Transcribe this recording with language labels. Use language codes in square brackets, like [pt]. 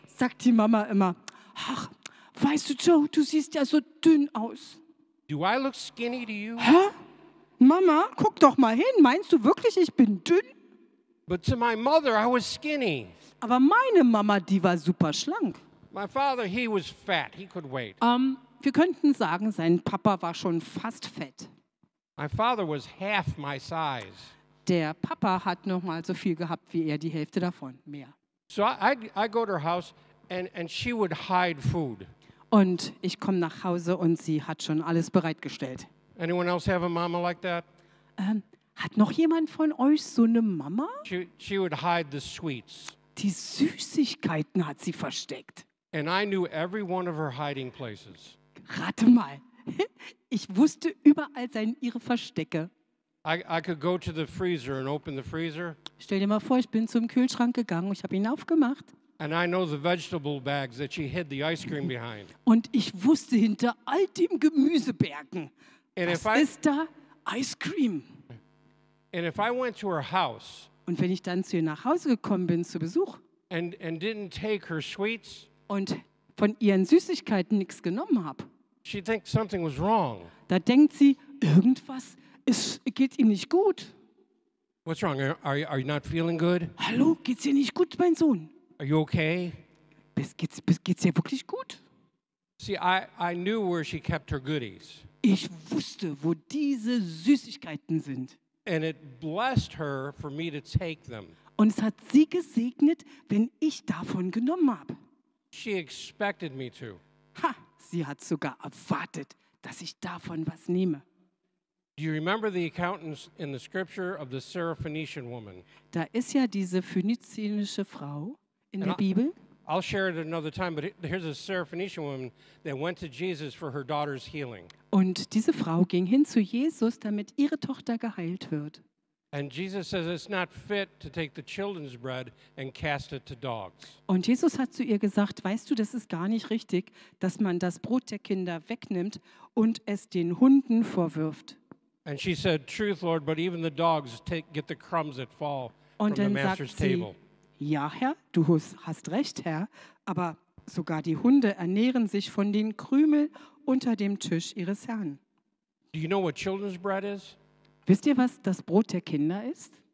[de] Sagt die Mama immer, ach, weißt du, Joe, du siehst ja so dünn aus. [en] Do I look skinny to you? [de] Hä? Mama, guck doch mal hin. Meinst du wirklich, ich bin dünn? [en] But to my mother, I was skinny. [de] Aber meine Mama, die war super schlank. [en] My father, he was fat. He could wait. [de] Wir könnten sagen, sein Papa war schon fast fett. [en] My father was half my size. [de] Der Papa hat noch mal so viel gehabt wie er, die Hälfte davon, mehr. [en] So I go to her house and she would hide food. [de] Und ich komme nach Hause und sie hat schon alles bereitgestellt. [en] Anyone else have a mama like that? [de] Hat noch jemand von euch so eine Mama? [en] She would hide the sweets. [de] Die Süßigkeiten hat sie versteckt. [en] And I knew every one of her hiding places. [de] Rate mal, ich wusste überall seine ihre Verstecke. [en] I could go to the freezer and open the freezer. [de] Stell dir mal vor, ich bin zum Kühlschrank gegangen, ich habe ihn aufgemacht. [en] And I know the vegetable bags that she hid the ice cream behind. [de] Und ich wusste hinter all dem Gemüsebergen, was ist da? [en] Ice cream. And if I went to her house. [de] Und wenn ich dann zu ihr nach Hause gekommen bin zu Besuch. [en] And didn't take her sweets. [de] Und von ihren Süßigkeiten nichts genommen habe. [en] She'd think something was wrong. [de] Da denkt sie, irgendwas. Es geht ihm nicht gut. [en] What's wrong? Are you not feeling good? [de] Hallo, geht's dir nicht gut, mein Sohn? [en] Are you okay? [de] Geht's dir wirklich gut? [en] See, I knew where she kept her goodies. [de] Ich wusste, wo diese Süßigkeiten sind. [en] And it blessed her for me to take them. [de] Und es hat sie gesegnet, wenn ich davon genommen habe. [en] She expected me to. [de] Ha, sie hat sogar erwartet, dass ich davon was nehme. [en] Do you remember the account in the scripture of the Syrophoenician woman? [de] Da ist ja diese phönizische Frau in der Bibel. [en] I'll share it another time, but here's a Syrophoenician woman that went to Jesus for her daughter's healing. [de] Und diese Frau ging hin zu Jesus, damit ihre Tochter geheilt wird. [en] And Jesus says it's not fit to take the children's bread and cast it to dogs. [de] Und Jesus hat zu ihr gesagt, weißt du, das ist gar nicht richtig, dass man das Brot der Kinder wegnimmt und es den Hunden vorwirft. [en] And she said, truth, Lord, but even the dogs get the crumbs that fall [de] und [en] from the master's table. [de] Ja, Herr, du hast recht, Herr, aber sogar die Hunde ernähren sich von den Krümel unter dem Tisch ihres Herrn. [en] Do you know what children's bread is? [de] Wisst ihr, was das Brot der Kinder ist?